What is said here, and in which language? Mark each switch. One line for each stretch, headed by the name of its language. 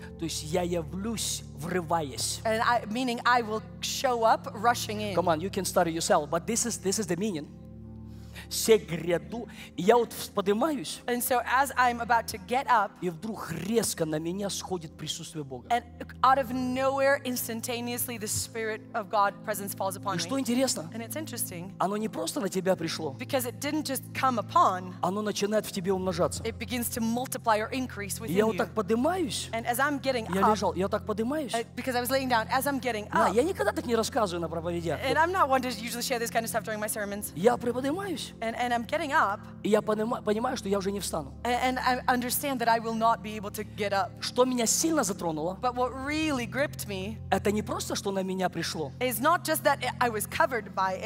Russian: То есть я явлюсь, врываясь.
English: And I, meaning I will show up, rushing in. Come on, you can study yourself, but this is the meaning.
Russian: Все гряду, я вот поднимаюсь.
English: And so as I'm about to get up.
Russian: И вдруг резко на меня сходит присутствие Бога.
English: And out of nowhere, instantaneously, the Spirit of God presence falls upon me.
Russian: И что интересно?
English: And it's interesting.
Russian: Оно не просто на тебя пришло.
English: Because it didn't just come upon.
Russian: Оно начинает в тебе умножаться.
English: It begins to multiply or increase within
Russian: you. Я вот так поднимаюсь.
English: And as I'm getting up.
Russian: Я лежал, я так поднимаюсь.
English: Because I was laying down, as I'm getting up.
Russian: Я никогда так не рассказываю на проповедях.
English: And I'm not one to usually share this kind of stuff during my sermons.
Russian: Я приподнимаюсь.
English: And I'm getting up.
Russian: И я понимаю, что я уже не встану.
English: And I understand that I will not be able to get up.
Russian: Что меня сильно затронуло?
English: But what really gripped me.
Russian: Это не просто, что на меня пришло.
English: Is not just that I was covered by it.